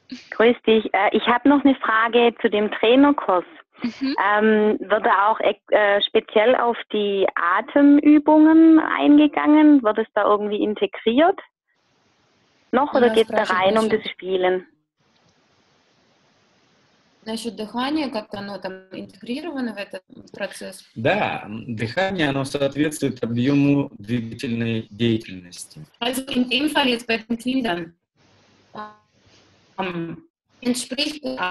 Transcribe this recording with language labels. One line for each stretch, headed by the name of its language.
German: Grüß dich. Ich habe noch eine Frage zu dem Trainerkurs. Mhm. Wird da auch speziell auf die Atemübungen eingegangen? Wird es da irgendwie integriert? Noch oder geht es da rein um das Spielen?
Russian: Насчет дыхания, как оно там интегрировано в этот процесс? Да, дыхание, оно соответствует объему двигательной деятельности.
German: Also in dem Fall jetzt bei den Kindern entspricht